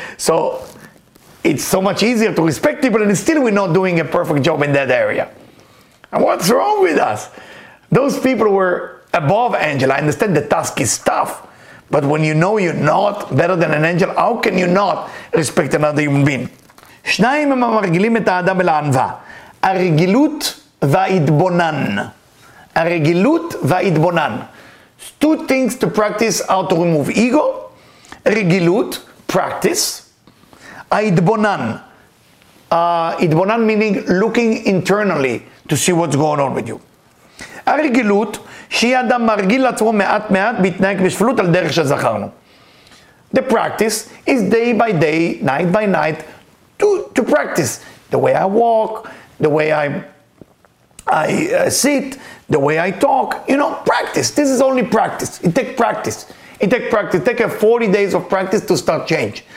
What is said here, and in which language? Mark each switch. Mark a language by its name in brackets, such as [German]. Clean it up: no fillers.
[English] So it's so much easier to respect people, and still we're not doing a perfect job in that area. And what's wrong with us? Those people were above angel. I understand the task is tough. But when you know you're not better than an angel, how can you not respect another human being? [Hebrew] שניים הם המרגילים את האדם אל הענווה. הרגילות וההתבונן. הרגילות וההתבונן. [English] Two things to practice how to remove ego. רגילות, practice. ההתבונן. התבונן meaning looking internally to see what's going on with you. [Hebrew] הרגילות, שהיא אדם מרגיל לעצמו מעט מעט בהתנהג בשפלות על דרך שזכרנו. [English] The practice is day by day, night by night, to practice the way I walk, the way I sit, the way I talk, you know, practice. This is only practice. It takes practice. It takes practice. Take 40 days of practice to start change.